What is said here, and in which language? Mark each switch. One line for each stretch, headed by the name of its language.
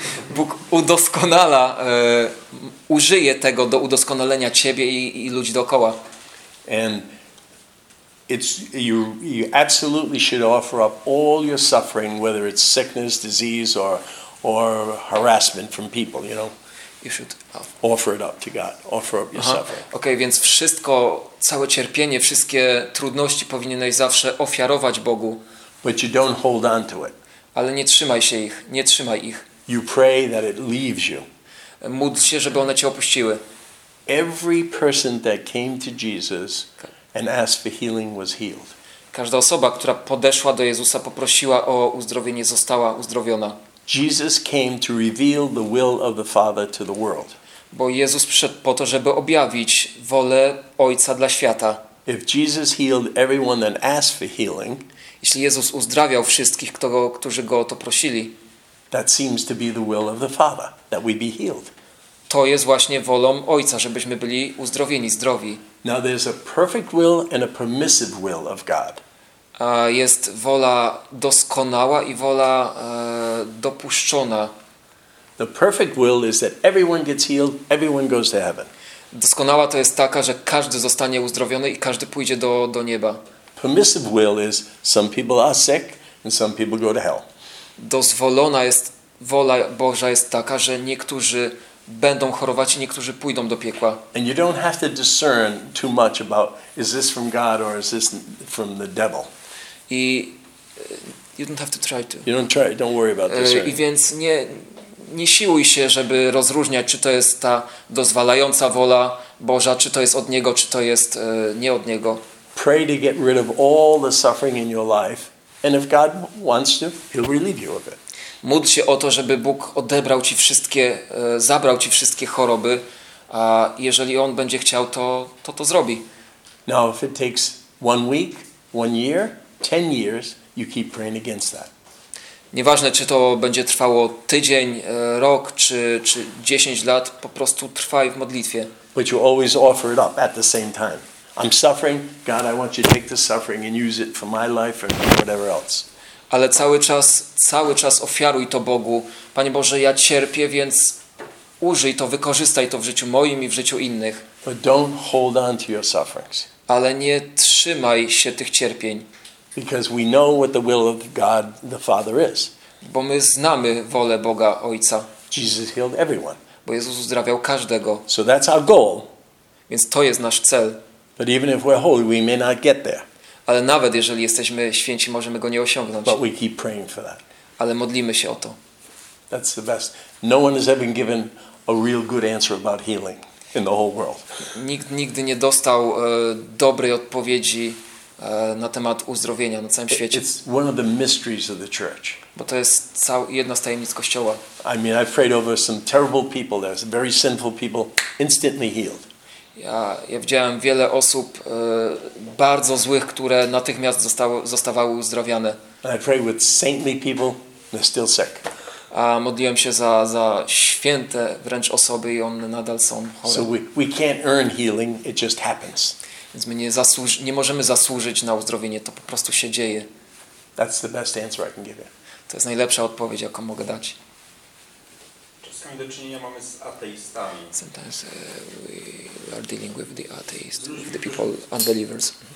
Polish: Bóg udoskonala, użyje tego do udoskonalenia ciebie i ludzi dookoła.
English: And it's you absolutely should offer up all your suffering, whether it's sickness, disease or harassment from people, you know. You should offer it up to God. Offer up your suffering.
Polish: Okay, więc wszystko, całe cierpienie, wszystkie trudności powinieneś zawsze ofiarować Bogu.
English: But you don't hold on to it.
Polish: Ale nie trzymaj się ich, nie trzymaj ich.
English: You pray that it leaves you.
Polish: Módl się, żeby one cię opuściły.
English: Every person that came to Jesus and asked for healing was healed.
Polish: Każda osoba, która podeszła do Jezusa, poprosiła o uzdrowienie, została uzdrowiona.
English: Jesus came to reveal the will of the Father to the world.
Polish: Bo Jezus przyszedł po to, żeby objawić wolę Ojca dla świata.
English: If Jesus healed everyone that asked for healing,
Polish: jeśli Jezus uzdrawiał wszystkich, którzy go o to prosili,
English: that seems to be the will of the Father, that we be healed.
Polish: To jest właśnie wolą Ojca, żebyśmy byli uzdrowieni, zdrowi.
English: Now there's a perfect will and a permissive will of God.
Polish: Jest wola doskonała i wola dopuszczona.
English: The perfect will is that everyone gets healed, everyone goes to heaven.
Polish: Doskonała to jest taka, że każdy zostanie uzdrowiony i każdy pójdzie do nieba.
English: Permissive will is some people are sick and some people go to hell.
Polish: Dozwolona jest wola Boża jest taka, że niektórzy będą chorować i niektórzy pójdą do piekła.
English: And you don't have to discern too much about is this from God or is this from the devil. I you don't have to try to. You don't try. Don't worry about this.
Polish: I więc nie siłuj się, żeby rozróżniać, czy to jest ta dozwalająca wola Boża, czy to jest od Niego, czy to jest nie od Niego.
English: Pray to get rid of all the suffering in your life, and if God wants to, He'll relieve you of it.
Polish: Módl się o to, żeby Bóg odebrał ci wszystkie, zabrał ci wszystkie choroby, a jeżeli On będzie chciał, to zrobi.
English: Now, if it takes 1 week, 1 year, 10 years, you keep praying against that.
Polish: Nieważne, czy to będzie trwało tydzień, rok, czy 10 lat, po prostu trwaj w modlitwie.
English: But you always offer it up at the same time. I'm suffering, God, I want you to take the suffering and use it for my life or whatever else.
Polish: Ale cały czas ofiaruj to Bogu. Panie Boże, ja cierpię, więc użyj to, wykorzystaj to w życiu moim i w życiu innych.
English: But don't hold on to your sufferings.
Polish: Ale nie trzymaj się tych cierpień.
English: Because we know what the will of God the Father is.
Polish: Bo my znamy wolę Boga Ojca.
English: Jesus healed everyone.
Polish: Bo Jezus uzdrawiał każdego.
English: So that's our goal.
Polish: Więc to jest nasz cel.
English: But even if we're holy, we may not get there.
Polish: Ale nawet jeżeli jesteśmy święci, możemy go nie osiągnąć.
English: But we keep praying for that.
Polish: Ale modlimy się o to.
English: That's the best. No one has ever given a real good answer about healing in the whole world.
Polish: Nigdy nie dostał dobrej odpowiedzi na temat uzdrowienia na całym świecie.
English: It's one of the mysteries of the church.
Polish: Bo to jest jedna z tajemnic Kościoła.
English: I mean, I've prayed over some terrible people there, some very sinful people, instantly healed.
Polish: Ja widziałem wiele osób bardzo złych, które natychmiast zostawały uzdrowiane.
English: I pray with saintly people, they're still sick.
Polish: A modliłem się za święte wręcz osoby i one nadal są chore.
English: So we can't earn healing, it just happens.
Polish: Więc my nie możemy zasłużyć na uzdrowienie, to po prostu się dzieje.
English: That's the best answer I can give you.
Polish: To jest najlepsza odpowiedź, jaką mogę dać. Do czynienia mamy z ateistami.
English: Sometimes we are dealing with the atheists, with the people, unbelievers.